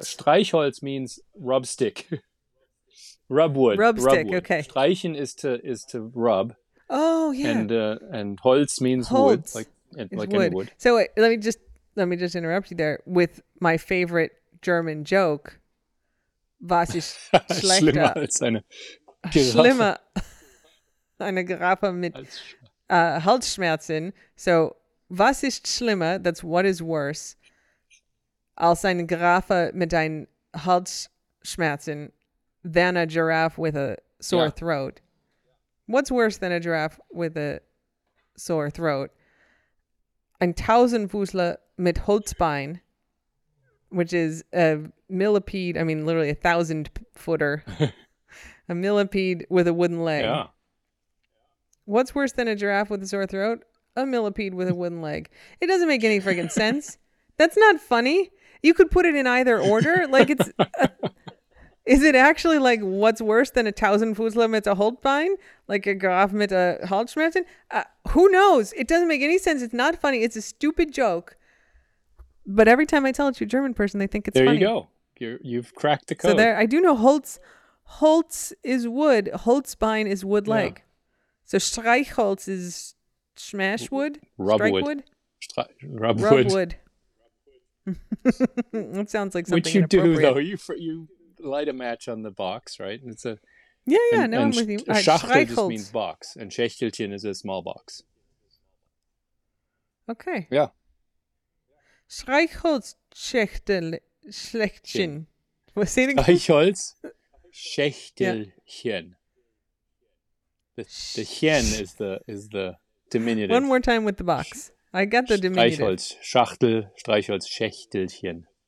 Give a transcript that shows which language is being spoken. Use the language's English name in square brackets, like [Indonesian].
[English] Streichholz means rub stick. Rub wood. Okay. Streichen is to rub. Oh, yeah. And Holz means [German] Holz. [English] Wood. So let me just interrupt you there with my favorite German joke. [German] Was ist schlechter? Schlimmer als eine Giraffe. Schlimmer eine Giraffe mit Halsschmerzen. So was ist schlimmer? [English] That's what is worse. [German] Als eine Giraffe mit ein Halsschmerzen [English] than a giraffe with a sore throat. What's worse than a giraffe with a sore throat? 1,000 [German] Fußler mit Holzbein, [English] which is a millipede. I mean, literally 1,000 footer, a millipede with a wooden leg. Yeah. What's worse than a giraffe with a sore throat? A millipede with a wooden leg. It doesn't make any freaking sense. That's not funny. You could put it in either order. Like, it's is it actually like what's worse than 1,000 [German] Fußler mit [English] a Holzbein? Like a giraffe mit a Halsschmerzen? Who knows? It doesn't make any sense. It's not funny. It's a stupid joke. But every time I tell it to a German person, they think it's funny. There you go. You've cracked the code. So there, I do know Holz is wood. Holzbein is wood leg. Yeah. So Streichholz is smash wood? Rub wood. Rub wood. That sounds like something inappropriate. Which you do, though. You light a match on the box, right? And it's a I'm with you. Right, Schachtel just means box, and Schächtelchen is a small box. Okay. Yeah. [German] Streichholzschächtelchen. Was ist das? Streichholzschächtelchen. [English] The chen is the diminutive. One more time with the box. I got the diminutive. [German] Streichholz, Schachtel, Streichholz, Schächtelchen.